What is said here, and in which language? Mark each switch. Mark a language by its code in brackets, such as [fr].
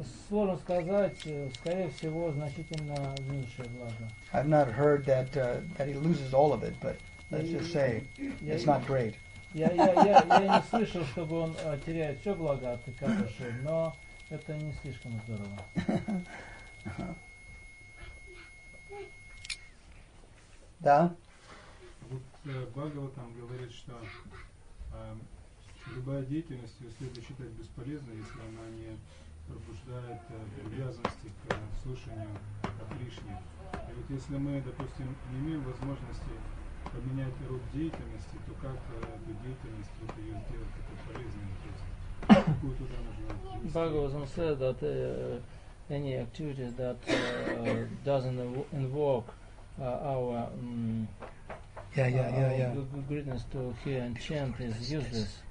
[ru] Сложно сказать, скорее всего, значительно меньше блага. [en] I've not heard that that he loses all of it, but let's just say it's not great. [ru] Я не слышал, чтобы он теряет все блага от Экадыши, но это не слишком здорово. Да? Вот Бхагаватам говорит, что любая деятельность ее следует считать бесполезной, если она не пробуждает привязанности к слушанию от Кришны. И вот если мы, допустим, не имеем возможности поменять род деятельности, то как эту деятельность, вот ее сделать как-то полезной? То есть, какую туда нужно привести? [en] Bhagavatam said that any activities that doesn't invoke our greatness to hear and chant is useless.